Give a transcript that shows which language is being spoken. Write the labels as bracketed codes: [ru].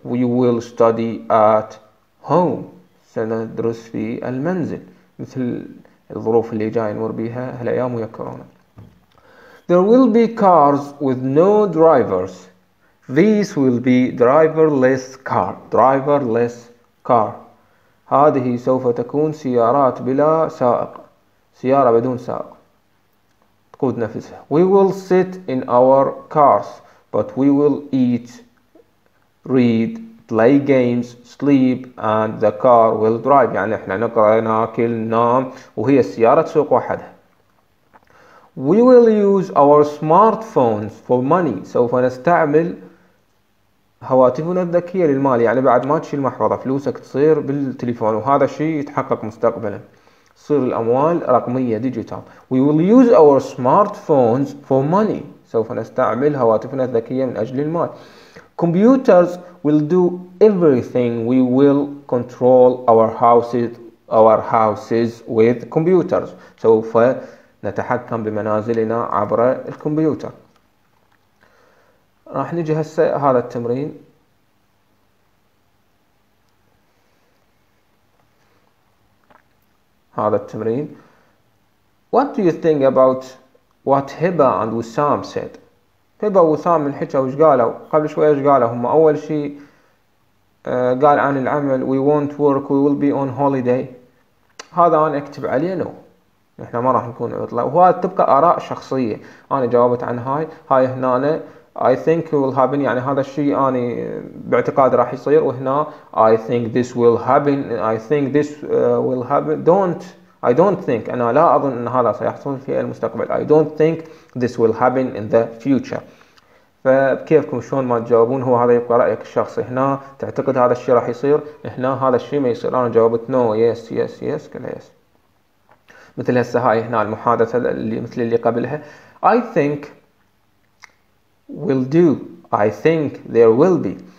[en] we will study at home، [ar] سندرس في المنزل، مثل الظروف اللي جاي نمر بيها هالأيام ويا كورونا. [en] There will be cars with no drivers. These will be driverless car. Driverless car. [ar] هذه سوف تكون سيارات بلا سائق. سيارة بدون سائق. تقود نفسها. [en] We will sit in our cars, but we will eat, read, play games, sleep, and the car will drive. [ar] يعني احنا نقرأ ناكل ننام وهي السيارة تسوق وحدها. [en] We will use our smartphones for money. [ar] سوف نستعمل هواتفنا الذكية للمال، يعني بعد ما تشيل المحفظة فلوسك تصير بالتليفون، وهذا الشيء يتحقق مستقبلا، تصير الأموال رقمية ديجيتال. [en] We will use our smartphones for money. [ar] سوف نستعمل هواتفنا الذكية من أجل المال. [en] Computers will do everything. We will control our houses with computers. [ar] سوف نتحكم بمنازلنا عبر الكمبيوتر. راح نجي هسه هذا التمرين. هذا التمرين. [en] What do you think about what Hiba and Wissam said? [ar] Hiba وسام من حكى وش قالوا قبل شوية؟ وش قالوا هم؟ أول شيء قال عن العمل [en] we won't work, we will be on holiday. [ar] هذا أنا أكتب عليه no، احنا ما راح نكون عطلة، وهذا تبقى اراء شخصية. انا جاوبت عن هاي هنا أنا. [en] I think it will happen، [ar] يعني هذا الشيء اني باعتقاد راح يصير، وهنا [en] I think this will happen، I think this will happen. I don't think [ar] انا لا اظن ان هذا سيحصل في المستقبل. [en] I don't think this will happen in the future. [ar] فكيفكم شلون ما تجاوبون؟ هو هذا يبقى رأيك الشخصي، هنا تعتقد هذا الشيء راح يصير، هنا هذا الشيء ما يصير. انا جاوبت نو، يس يس يس كلا يس. مثل هسه هاي هنا المحادثة اللي مثل اللي قبلها. [en] I think will do. I think there will be.